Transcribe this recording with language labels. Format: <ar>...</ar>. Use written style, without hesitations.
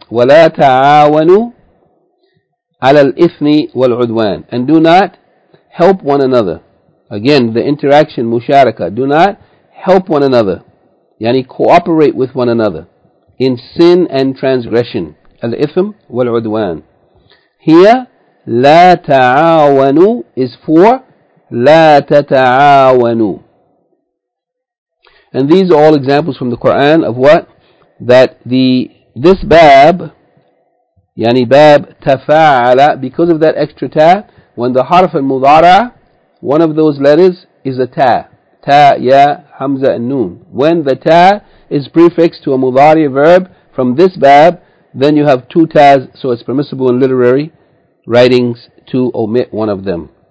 <ar>وَلَا تَعَاوَنُوا عَلَى الْإِثْمِ وَالْعُدْوَانِ.</ar> <en>And do not help one another. Again, the interaction, musharaka. Do not help one another. Yani cooperate with one another in sin and transgression. Al-Ithm wal-Udwan. Here,</en> <ar>لَا تَعَاوَنُوا</ar> <en>is for</en> <ar>لَا تَتَعَاوَنُوا.</ar> <en>And these are all examples from the Quran of what? That the this bab, yani bab tafa'ala, because of that extra ta, when the harf al-mudara, one of those letters is a ta. Ta, ya, hamza, and noon. When the ta is prefixed to a mudari verb from this bab, then you have two ta's, so it's permissible in literary writings to omit one of them.</en>